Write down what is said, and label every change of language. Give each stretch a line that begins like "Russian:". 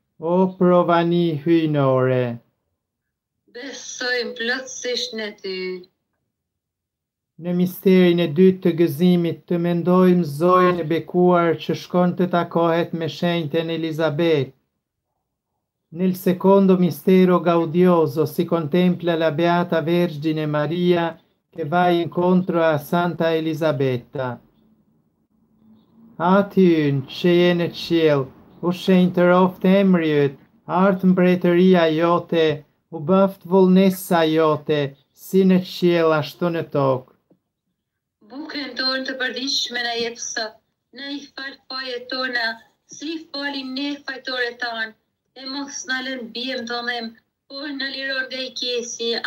Albanian: o provani hyjnore, Besojmë plotësisht në ty. në misterin e dytë të gëzimit të mendojmë zojën e bekuar që shkon të takohet me shenjtën Elizabeth.
Italian: Nel secondo mistero gaudioso si contempla la beata Vergine Maria che va incontro a Santa Elisabetta.
Albanian: Atyn, që je në qiell, u shenjtëroft emriyt, art mbretëria jote, u bëft vullnesa jote, si në qiell ashtu në tokë. Bukën tonë të përditshme na jep sot, na i fal fajet tona, si falim ne fajtorët tanë, e mos na lën bijem dhonem, por na liror nga i keqi.